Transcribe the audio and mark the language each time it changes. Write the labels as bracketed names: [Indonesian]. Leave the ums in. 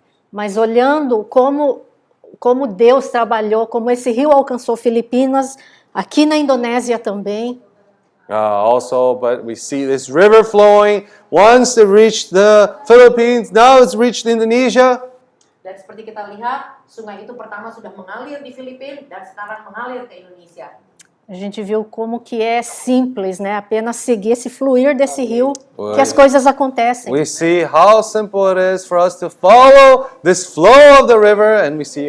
[Portuguese] Mas olhando como como Deus trabalhou, como esse rio alcançou Filipinas, aqui na Indonésia também. [English] Uh, also, but we see this river flowing once it reached the Philippines, now it's reached Indonesia. [Indonesian] Dan seperti kita lihat, sungai itu pertama sudah mengalir di Filipina dan sekarang Indonesia. [Portuguese] A gente viu como que é simples, né? Apenas seguir esse fluir desse rio oh, que as yeah. coisas acontecem. [English] We see how simple it is for us to follow this flow of the river and we